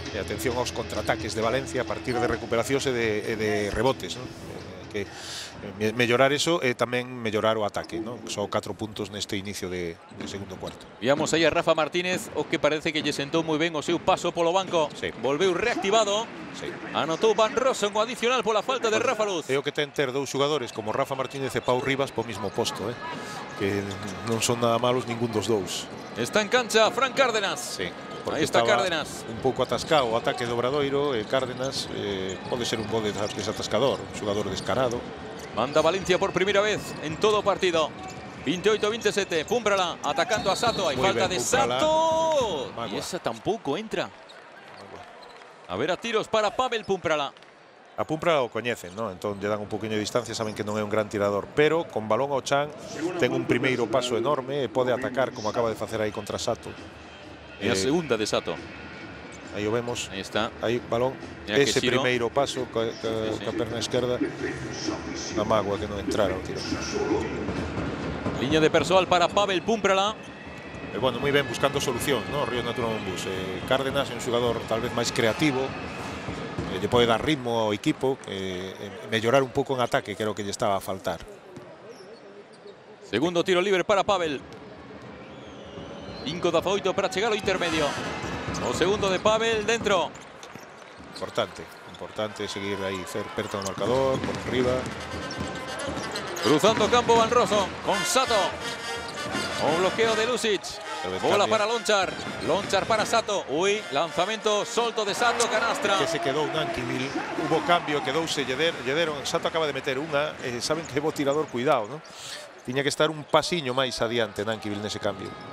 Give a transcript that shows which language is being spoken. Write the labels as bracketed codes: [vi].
[gl] E atención aos contraataques de Valencia a partir de recuperacións e de rebotes, ¿no? Que mellorar eso e tamén mellorar o ataque, ¿no? Son 4 puntos neste inicio de segundo cuarto. Viamos aí a Rafa Martínez, o que parece que lle sentou moi ben o seu paso polo banco. Sí. Volveu reactivado. Sí. Anotou Van Rossum co adicional pola falta de Rafa Luz. É o que ten ter dous xogadores como Rafa Martínez e Pau Rivas po mismo posto, ¿eh? Que non son nada malos ningún dos dous. Está en cancha Fran Cárdenas. Sí. [es] Porque ahí está Cárdenas. [gl] Un pouco atascado o ataque do Obradoiro. Cárdenas pode ser un bo desatascador, un xogador descarado. Manda Valencia por primeira vez en todo o partido. 28-27. Púmbrala atacando a Sato. [es] Hay falta de Sato. Y esa tampoco entra. A ver, a tiros para Pavel Púmbrala. [gl] A Púmbrala o coñecen, ¿no? Entón, lle dan un poquinho de distancia, saben que non é un gran tirador. Pero, con balón ao chan, ten un primeiro paso enorme e pode atacar, como acaba de facer aí contra Sato. É a segunda de Sato. Aí o vemos. Aí está. Aí, balón. Ese primeiro paso, coa perna esquerda. A mágoa que non entrara o tiro. Liña de persoal para Pavel Púmbrala. Bueno, moi ben, buscando solución, ¿no? Río Natura Monbús. Cárdenas é un xogador tal vez máis creativo. Lle pode dar ritmo ao equipo, mellorar un pouco en ataque, creo que lle estaba a faltar. Segundo tiro libre para Pavel. 5-18 para chegar ao intermedio. O segundo de Pavel, dentro. Importante, importante seguir aí, perto do marcador, por arriba. Cruzando o campo Van Rossum, con Sato. O bloqueo de Lucic. Bola para Lonchar. Lonchar para Sato. Uy, lanzamiento solto de Sato, canastra. [es] Que se quedó un Nankivill. Hubo cambio, quedouse Lledero. Sato acaba de meter una. Saben que llevo tirador, cuidado, ¿no? [gl] Tiña que estar un pasiño máis adiante Nankivill nese cambio.